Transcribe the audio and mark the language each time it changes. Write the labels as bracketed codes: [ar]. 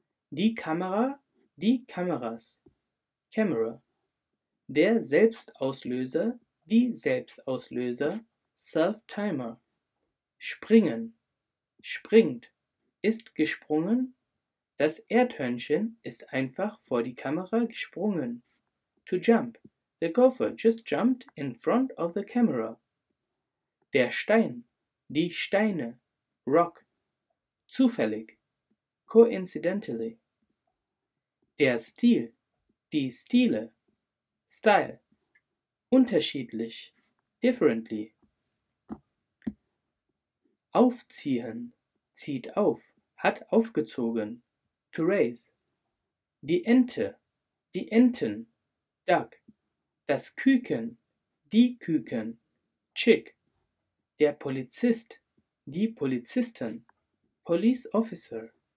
[de] Die Kamera, die Kameras, Camera. Der Selbstauslöser, die Selbstauslöser, Self-Timer. Springen, springt, ist gesprungen. Das Erdhörnchen ist einfach vor die Kamera gesprungen. [en] To jump, the gopher just jumped in front of the camera. [de] Der Stein, die Steine, Rock. Zufällig, coincidentally. Der Stil, die Stile, Style. Unterschiedlich, differently. Aufziehen, zieht auf, hat aufgezogen, [en] to raise. [de] Die Ente, die Enten, Duck. Das Küken, die Küken, Chick. Der Polizist, die Polizisten, [en] Police Officer.